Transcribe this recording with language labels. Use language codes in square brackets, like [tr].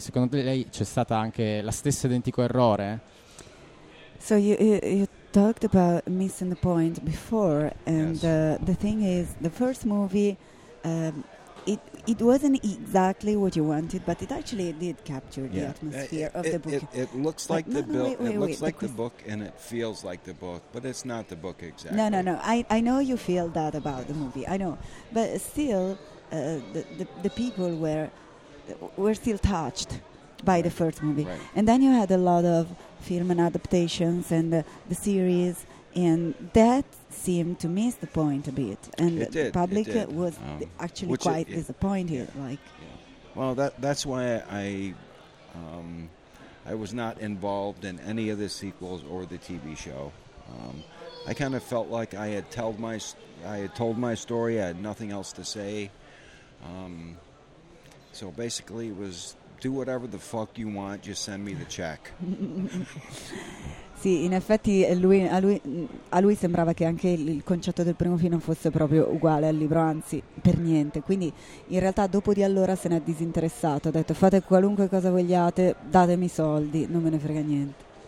[it] Secondo lei c'è stata anche la stessa identico errore? [en] So you talked about missing the point before, and yes. The thing is, the first movie, it wasn't exactly what you wanted, but it actually did capture the atmosphere of the book. It looks like the book. It looks like the book, and it feels like the book, but it's not the book exactly. No. I know you feel that about the movie. I know, but still, the people were still touched by the first movie, right. And then you had a lot of film and adaptations and the series, and that seemed to miss the point a bit, and it did, the public it was actually quite disappointed. Well, that's why I I was not involved in any of the sequels or the TV show. I kind of felt like I had told my story. I had nothing else to say. So basically it was, do whatever the fuck you want, just send me the check. [it] Sì, in effetti a lui sembrava che anche il concetto del primo film non fosse proprio uguale al libro, anzi per niente. Quindi in realtà dopo di allora se n'è disinteressato, ha detto fate qualunque cosa vogliate, datemi soldi, non me ne frega niente.